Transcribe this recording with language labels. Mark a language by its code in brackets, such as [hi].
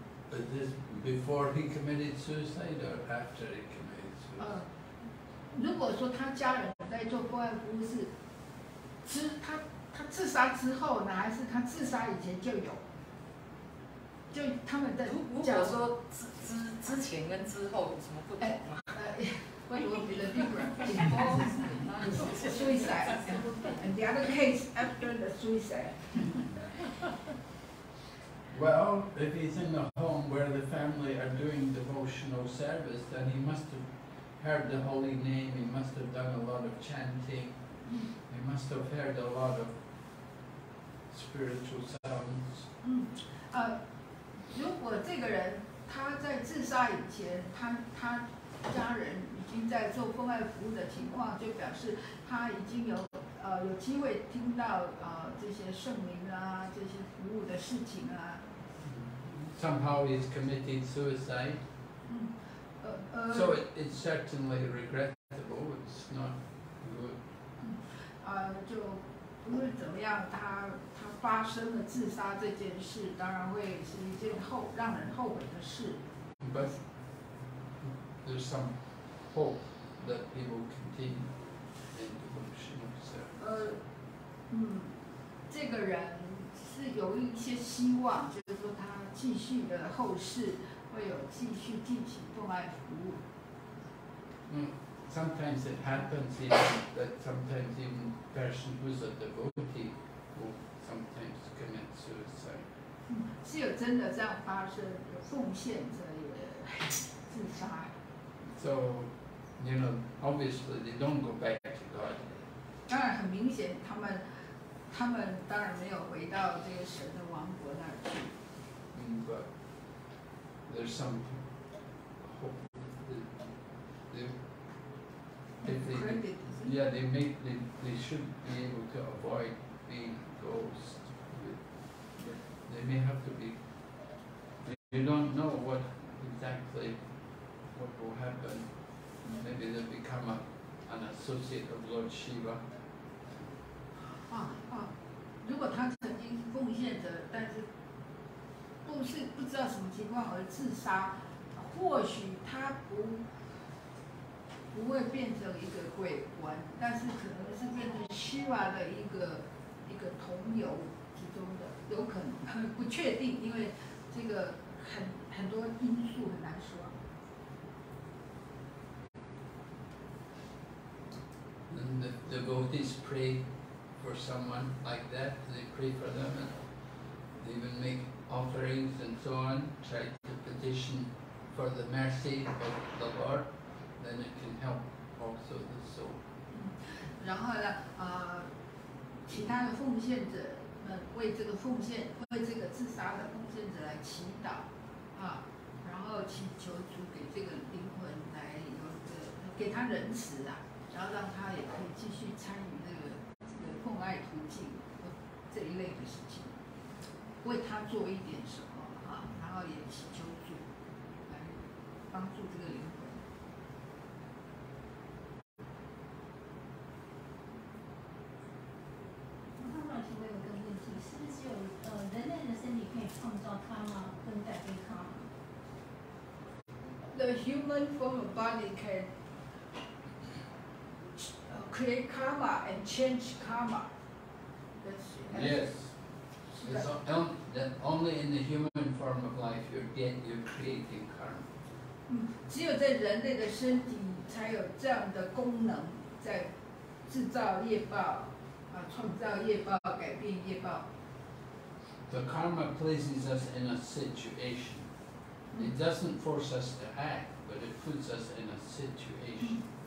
[en] But this before he committed suicide or after he committed suicide? [zh] 如果说他家人在做奉爱服务是，他自杀之后呢，还是他自杀以前就有，就他们的。如果说之前跟之后有什么不同吗？为什么比较 [en] different? Before suicide and the other case after the suicide. Well, if he's in the home where the family are doing devotional service, then he must have heard the holy name, he must have done a lot of chanting, he must have heard a lot of spiritual sounds. [zh] 如果这个人他在自杀以前 他家人已经在做奉爱服务的情况，就表示他已经有机会听到这些圣灵啊，这些服务的事情啊。 [en] Somehow he's committed suicide. So it's certainly regrettable. It's not good. [zh] 就不论怎么样，他发生了自杀这件事，当然会是一件让人后悔的事。 [en] But there's some hope that he will continue in devotional service. [zh] 这个人是有一些希望，就是说他继续的后世会有继续进行奉爱服务。 [en] Sometimes it happens even that sometimes even a person who's a devotee will sometimes commit suicide. [zh] 是有真的这样发生，有奉献者也自杀。 [en] So, you know, obviously they don't go back to God. [zh] 当然很明显，他们当然没有回到这个神的王国那儿去。 [en] But there's some hope that they should be able to avoid being ghosts. They may have to be. You don't know what exactly what will happen. Maybe they'll become an associate of Lord Shiva. [zh] 如果他曾经是奉献者，但是不知道什么情况而自杀，或许他不会变成一个鬼魂，但是可能是变成 Shiva 的一个同游之中的，有可能，不确定，因为这个很多因素很难说。 [en] And the devotees pray for someone like that. They pray for them, and they even make offerings and so on. Try to petition for the mercy of the Lord. Then it can help also the soul. [zh] 然后呢，其他的奉献者们为这个自杀的奉献者来祈祷，然后祈求主给这个灵魂来有个给他仁慈啊。然后让他也可以继续参与这个奉爱途径这一类的事情，为他做一点什么啊，然后也祈求主来帮助这个灵魂。我刚才提问有个问题，是不是有人类的身体可以创造他吗？跟改变他吗 [en] ？The human form of body can. Create karma and change karma. That only in the human form of life you're creating karma. [zh] 只有在人类的身体才有这样的功能，在制造业报，创造业报，改变业报。 [en] the karma places us in a situation. It doesn't force us to act, but it puts us in a situation.